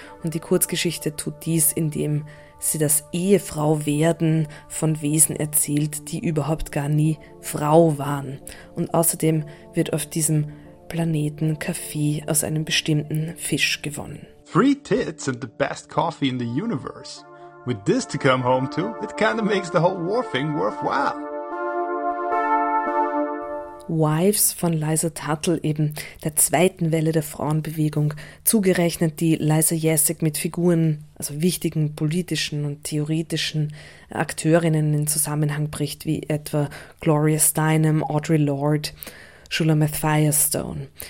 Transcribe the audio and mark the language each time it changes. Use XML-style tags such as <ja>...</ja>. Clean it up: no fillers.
<de>Und die Kurzgeschichte tut dies, indem sie das Ehefrauwerden von Wesen erzählt, die überhaupt gar nie Frau waren. Und außerdem wird auf diesem Planeten Kaffee aus einem bestimmten Fisch gewonnen.</de> <en>Free tits and the best coffee in the universe. With this to come home to, it kind of makes the whole war thing worthwhile.</en> <de>Wives von Liza Tuttle, eben der zweiten Welle der Frauenbewegung, zugerechnet, die Liza Yesek mit Figuren, also wichtigen politischen und theoretischen Akteurinnen in Zusammenhang bricht, wie etwa Gloria Steinem, Audre Lorde, Shulamith Firestone.</de>